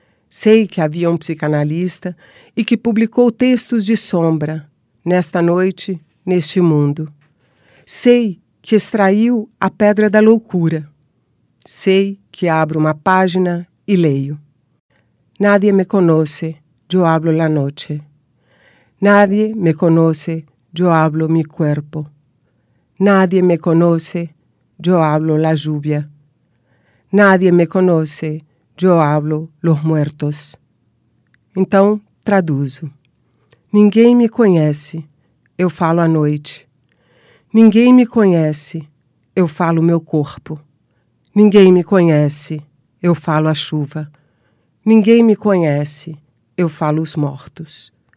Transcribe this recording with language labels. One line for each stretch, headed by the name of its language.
Portuguese: Sei que havia um psicanalista e que publicou textos de sombra nesta noite, neste mundo. Sei que extraiu a pedra da loucura. Sei que abro uma página e leio.
Spanish: Nadie me conoce, yo hablo la noche. Nadie me conoce, yo hablo mi cuerpo. Nadie me conoce, yo hablo la lluvia. Nadie me conoce, yo hablo los muertos.
Portuguese: Então, traduzo. Ninguém me conhece, eu falo a noite. Ninguém me conhece, eu falo meu corpo. Ninguém me conhece, eu falo a chuva. Ninguém me conhece, eu falo os mortos.